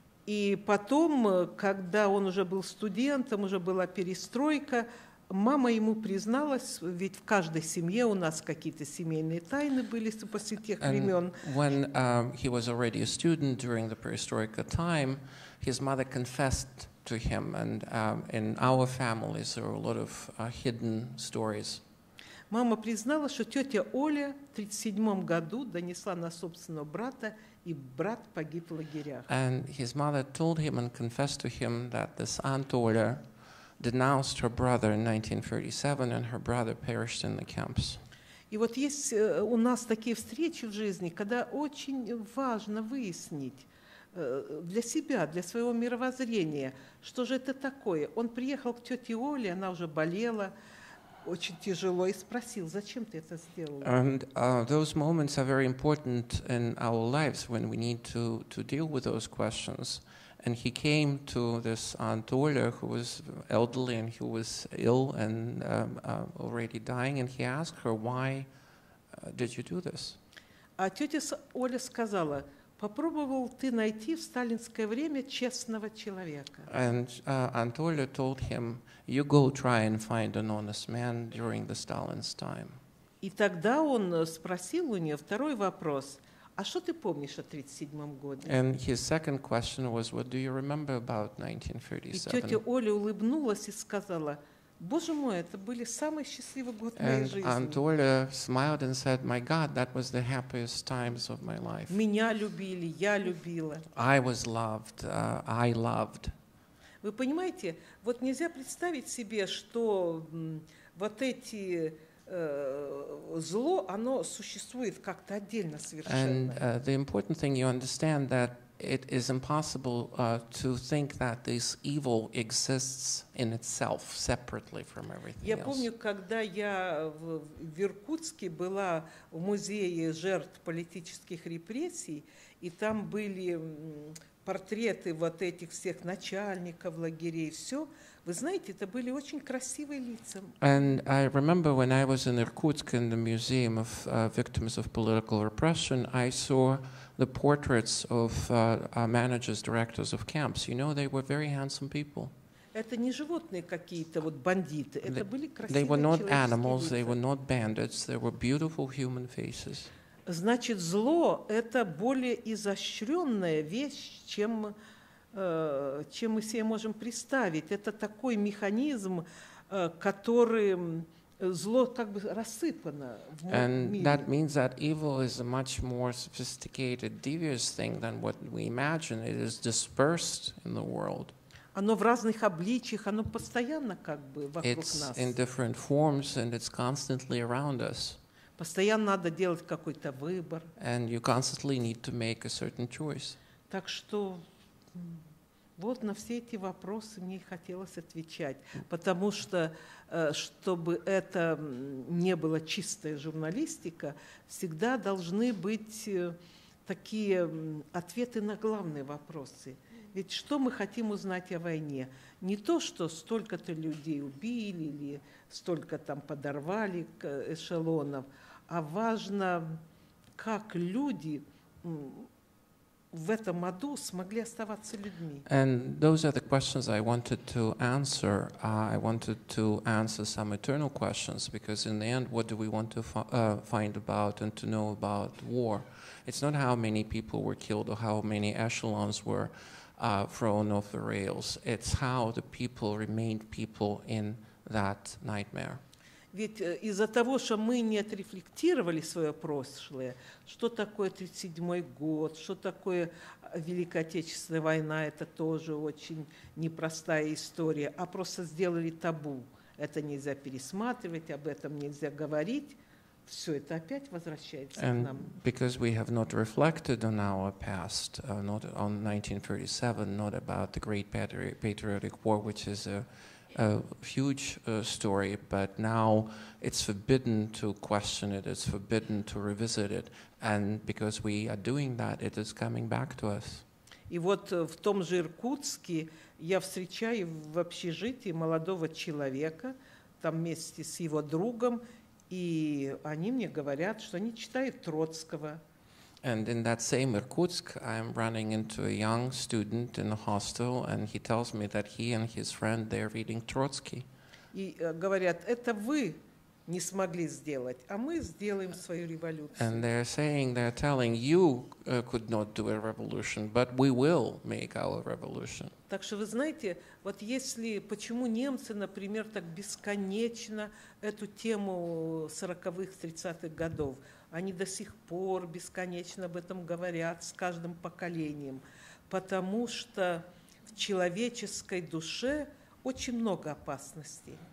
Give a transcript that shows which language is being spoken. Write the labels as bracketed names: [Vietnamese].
[Russian] И потом, когда он уже был студентом, уже была перестройка, мама ему призналась, ведь в каждой семье у нас какие-то семейные тайны были после тех времен. [English] When he was already a student during the perestroika time, his mother confessed to him, and in our families there are a lot of hidden stories. [Russian] Мама признала, что тетя Оля в 37-м году донесла на собственного брата, и брат погиб в лагерях. [English] And his mother told him and confessed to him that this aunt Оля denounced her brother in 1937, and her brother perished in the camps. [Russian] И вот есть у нас такие встречи в жизни, когда очень важно выяснить для себя, для своего мировоззрения, что же это такое. Он приехал к тете Оле, она уже болела очень тяжело, и спросил, зачем ты это сделал? [English] And those moments are very important in our lives when we need to deal with those questions. And he came to this aunt Olya, who was elderly and who was ill and already dying, and he asked her, why did you do this? [Russian] А тетя Оля сказала, попробовал ты найти в сталинское время честного человека. [English] And aunt Olya told him, you go try and find an honest man during the Stalin's time. [Russian] И тогда он спросил у нее второй вопрос, а что ты помнишь о 37-м году? [English] And his second question was, what do you remember about 1937? [Russian] И тетя Оля улыбнулась и сказала, Боже мой, это были самые счастливые годы моей [English] and [Russian] жизни. [English] Aunt Olya smiled and said, my God, that was the happiest times of my life. [Russian] Меня любили, я любила. [English] I was loved, I loved. [Russian] Вы понимаете, вот нельзя представить себе, что вот эти зло, оно существует как-то отдельно совершенно. [English] And the important thing you understand that it is impossible to think that this evil exists in itself, separately from everything else. [Russian] Я помню, когда я в Иркутске была в музее жертв политических репрессий, и там были портреты вот этих всех начальников лагерей, все. Вы знаете, это были очень красивые лица. [English] And I remember when I was in Irkutsk in the Museum of Victims of Political Repression, I saw the portraits of managers, directors of camps. You know, they were very handsome people. [Russian] Это не животные какие-то, вот бандиты. Это были красивые человеческие. [English] They were not animals, they were not bandits. They were beautiful human faces. [Russian] Значит, зло — это более изощренная вещь, чем мы себе можем представить. Это такой механизм, который... Зло как бы рассыпано в мире. [English] And that means that evil is a much more sophisticated, devious thing than what we imagine. It is dispersed in the world. [Russian] Оно в разных обличиях, оно постоянно как бы вокруг [English] it's [Russian] нас. [English] It's in different forms and it's constantly around us. [Russian] Постоянно надо делать какой-то выбор. [English] And you constantly need to make a certain choice. [Russian] Так что вот на все эти вопросы мне хотелось отвечать, потому что чтобы это не было чистая журналистика, всегда должны быть такие ответы на главные вопросы. Ведь что мы хотим узнать о войне? Не то, что столько-то людей убили или столько там подорвали эшелонов, а важно, как люди в этом аду смогли оставаться людьми. [English] And those are the questions I wanted to answer. I wanted to answer some eternal questions, because in the end, what do we want to find about and to know about war? It's not how many people were killed or how many echelons were thrown off the rails. It's how the people remained people in that nightmare. [Russian] Ведь из-за того, что мы не отрефлектировали свое прошлое, что такое 37-й год, что такое Великая Отечественная война, это тоже очень непростая история, а просто сделали табу. Это нельзя пересматривать, об этом нельзя говорить. Все это опять возвращается [English] and [Russian] к нам. [English] Because we have not reflected on our past, not on 1937, not about the Great Patriotic War, which is a huge story, but now it's forbidden to question it, it's forbidden to revisit it, and because we are doing that, it is coming back to us. [Russian] И вот в том же Иркутске я встречаю в общежитии молодого человека, там вместе с его другом, и они мне говорят, что они читают Троцкого. [English] And in that same Irkutsk, I'm running into a young student in a hostel, and he tells me that he and his friend, they're reading Trotsky. [Russian] И говорят, это вы не смогли сделать, а мы сделаем свою революцию. [English] And they're saying, they're telling you could not do a revolution, but we will make our revolution. [Russian] Так что вы знаете, вот если, почему немцы, например, так бесконечно эту тему 40-х, 30-х годов, они до сих пор бесконечно об этом говорят с каждым поколением, потому что в человеческой душе очень много опасностей.